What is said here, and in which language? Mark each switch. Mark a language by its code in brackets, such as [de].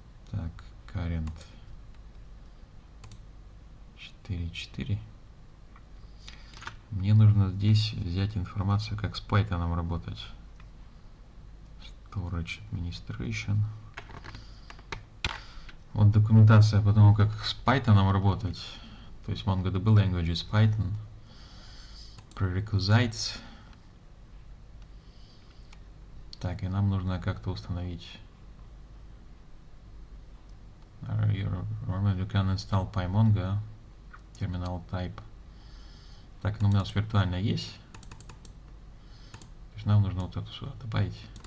[ru] Так, current 4.4. Мне нужно здесь взять информацию, как с Python работать. [en] Storage administration. [ru] Вот документация по тому, как с Python работать. То есть [en] MongoDB Languages Python. Prerequisites. [ru] Так, и нам нужно как-то установить. [en] Remember, you can install PyMongo. Terminal type. [ru] Так, ну у нас виртуально есть. То есть нам нужно вот это сюда добавить.